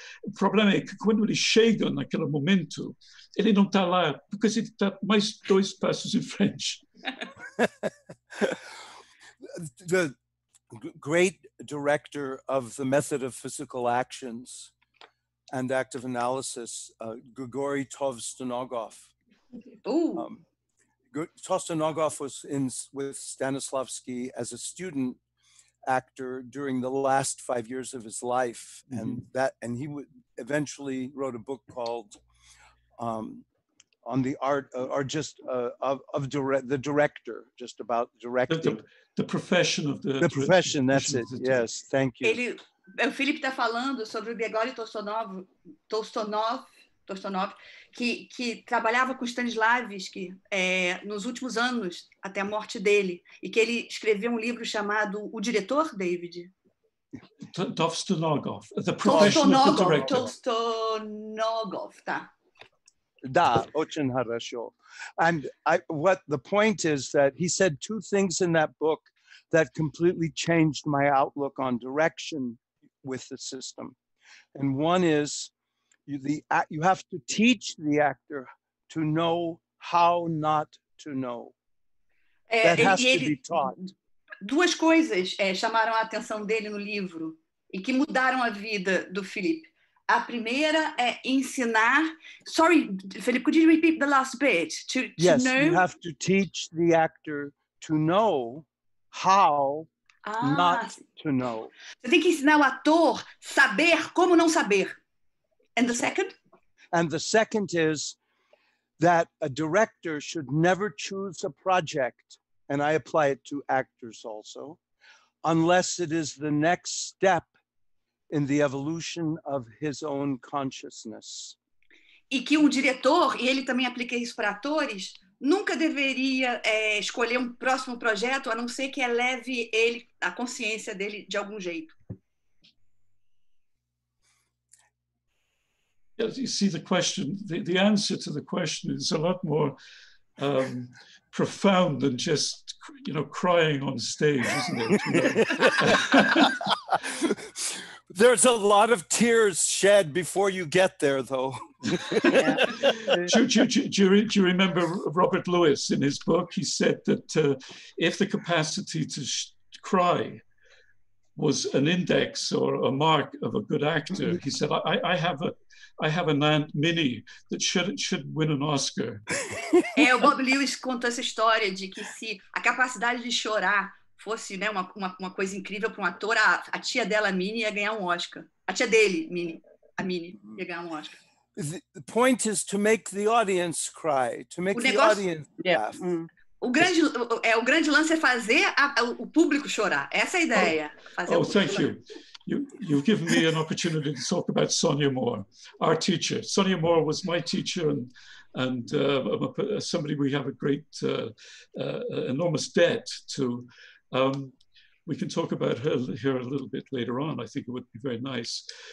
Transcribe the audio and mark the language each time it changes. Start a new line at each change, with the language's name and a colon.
Portuguese: O problema é que quando ele chega naquele momento, ele não está lá porque ele está mais dois passos em frente.
English: The great director of the method of physical actions and active analysis, Grigory Tovstonogov. Tovstonogov was with Stanislavski as a student actor during the last 5 years of his life, and he eventually wrote a book called on the art, or just of the director, just about directing. The profession of the profession, that's it. Yes, thank you.
Portuguese: O Felipe está falando sobre o Grigori Tostonov, que trabalhava com Stanislavski nos últimos anos, até a morte dele, e que ele escreveu um livro chamado O Diretor, David?
English: Tostonogov, The Profession of the Director.
Portuguese: Tostonogov, tá.
Russian: Da, очень хорошо.
English: And what the point is that he said two things in that book that completely changed my outlook on direction with the system. And one is you have to teach the actor to know how not to know. That has to be taught.
Portuguese: Duas coisas chamaram a atenção dele no livro e que mudaram a vida do Felipe. A primeira é ensinar.
English: Sorry, Felipe, could you repeat the last bit? Yes, you have to teach the actor to know how not to know.
Portuguese: Você tem que ensinar o ator saber como não saber.
English: And the second? And the second is that a director should never choose a project, and I apply it to actors also, unless it is the next step in the evolution of his own consciousness.
Portuguese: E que diretor, e ele também aplica isso para atores, nunca deveria escolher próximo projeto, a não ser que eleve ele, a consciência dele, de algum jeito.
English: Yes, you see the question, the answer to the question is a lot more profound than just, you know, crying on stage, isn't it? There's a lot of tears shed before you get there, though. do you remember Robert Lewis in his book? He said that if the capacity to cry was an index or a mark of a good actor, he said, I have an Aunt Minnie that should win an Oscar.
Portuguese: O Bob Lewis contou essa história de que se a capacidade de chorar fosse, né, uma coisa incrível para um ator, a tia dela, a Minnie, ia ganhar um Oscar. A tia dele, a Minnie, ia ganhar um Oscar.
English: The point is to make the audience cry, to make the audience laugh. Yeah. Mm.
Portuguese: O grande lance é fazer o público chorar. Essa é a ideia.
English: You've given me an opportunity to talk about Sonia Moore, our teacher. Sonia Moore was my teacher and somebody we have a great, enormous debt to. We can talk about her here a little bit later on. I think it would be very nice.